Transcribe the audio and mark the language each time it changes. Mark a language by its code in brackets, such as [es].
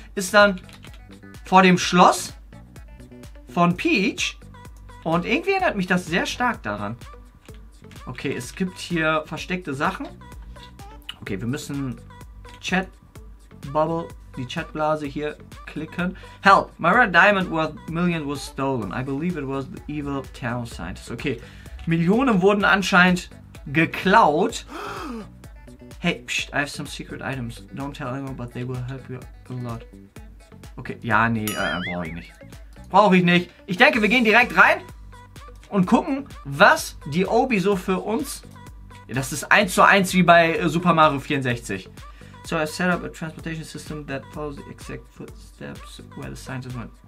[de] Ist dann vor dem Schloss von Peach. Und irgendwie erinnert mich das sehr stark daran. Okay, es gibt hier versteckte Sachen. Okay, wir müssen die Chatblase hier klicken. [en] Help! My red diamond worth million was stolen. I believe it was the evil town scientist. [de] Okay, Millionen wurden anscheinend geklaut. [en] Hey, psst, I have some secret items. Don't tell anyone, but they will help you a lot. [de] Okay, ja, nee, brauche ich nicht. Brauche ich nicht. Ich denke, wir gehen direkt rein und gucken, was die Obi so für uns... Das ist 1:1 wie bei Super Mario 64. [en] So I set up a transportation system that follows the exact footsteps where the scientist went.